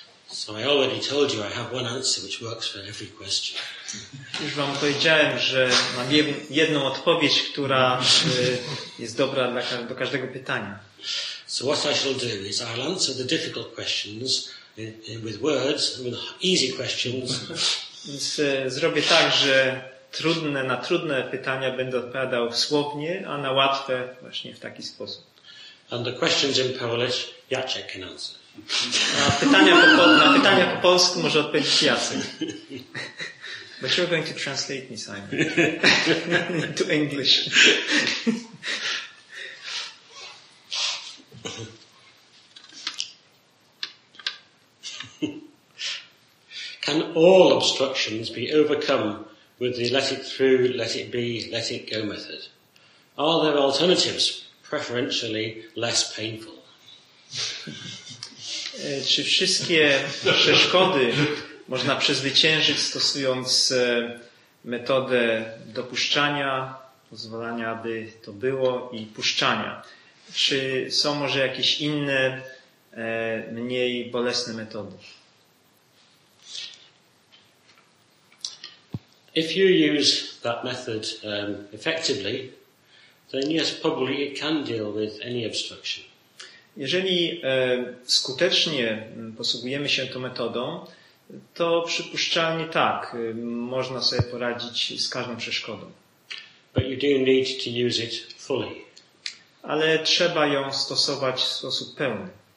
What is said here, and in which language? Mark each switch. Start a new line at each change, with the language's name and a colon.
English: So I already told you I have one answer which works for every question.
Polish: Już wam powiedziałem, że mam jedną odpowiedź, która jest dobra do każdego pytania.
English: So what I shall do is I'll answer the difficult questions with words, with easy questions.
Polish: Więc zrobię tak, że na trudne pytania będę odpowiadał słownie, a na łatwe właśnie w taki sposób.
English: And the questions in Polish, Jacek can answer.
Polish: Na pytania po polsku może odpowiedzieć Jacek.
English: But you're going to translate me, Simon. Into English. Can all obstructions be overcome with the let it through, let it be, let it go method? Are there alternatives, preferentially less painful?
Polish: Czy wszystkie przeszkody można przezwyciężyć stosując metodę dopuszczania, pozwalania, aby to było, i puszczania? Czy są może jakieś inne, mniej bolesne metody?
English: If you use that method effectively, then yes, probably it can deal with any obstruction.
Polish: Jeżeli skutecznie posługujemy się tą metodą, to przypuszczalnie tak, można sobie poradzić z każdą przeszkodą.
English: But you do need to use it fully.
Polish: Ale trzeba ją stosować w sposób pełny.